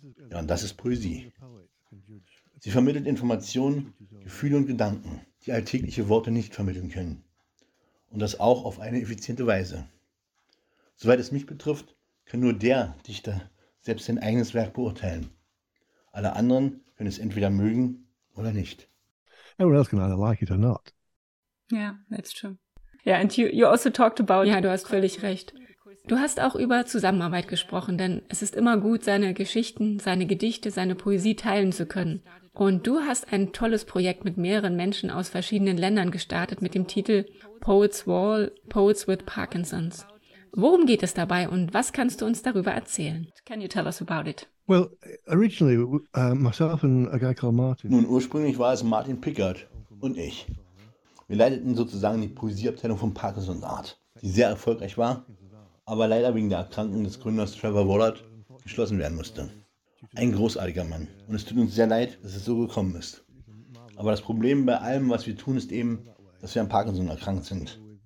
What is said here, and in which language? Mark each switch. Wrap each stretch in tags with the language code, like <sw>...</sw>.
<de>Ja, und das ist Poesie. Sie vermittelt Informationen, Gefühle und Gedanken, die alltägliche Worte nicht vermitteln können. Und das auch auf eine effiziente Weise. Soweit es mich betrifft, kann nur der Dichter selbst sein eigenes Werk beurteilen. Alle anderen können es entweder mögen oder nicht.</de> <en>Everyone else can either like it or not. Yeah, that's true. Yeah, and you also talked about...</en> <de>Ja, du hast völlig recht. Du hast auch über Zusammenarbeit gesprochen, denn es ist immer gut, seine Geschichten, seine Gedichte, seine Poesie teilen zu können. Und du hast ein tolles Projekt mit mehreren Menschen aus verschiedenen Ländern gestartet mit dem Titel Poets Wall, Poets with Parkinson's. Worum geht es dabei und was kannst du uns darüber erzählen?</de> <en>Can you tell us about it? Well, originally, myself and a guy called Martin.</en> <de>Nun, ursprünglich war es Martin Pickard und ich. Wir leiteten sozusagen die Poesieabteilung von Parkinson's Art, die sehr erfolgreich war, aber leider wegen der Erkrankung des Gründers Trevor Wallard geschlossen werden musste. Ein großartiger Mann. Und es tut uns sehr leid, dass es so gekommen ist. Aber das Problem bei allem, was wir tun, ist eben, dass wir an Parkinson erkrankt sind.</de>